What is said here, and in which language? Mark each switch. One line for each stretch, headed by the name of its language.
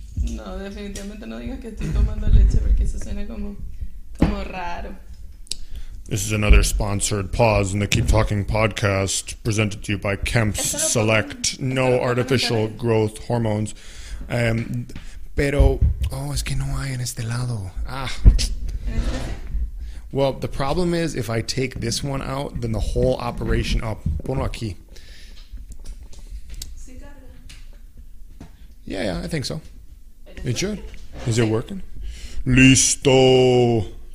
Spanish: No, definitivamente no digas que estoy tomando leche porque eso suena como raro.
English: This is another sponsored pause in the Keep Talking podcast presented to you by Kemp's Select. No artificial growth hormones.
Spanish: Pero, oh, es que no hay en este lado. Ah.
English: Well, the problem is if I take this one out, then the whole operation...
Spanish: Oh, ponlo aquí.
English: Yeah, I think so. It should. Is it working? Listo.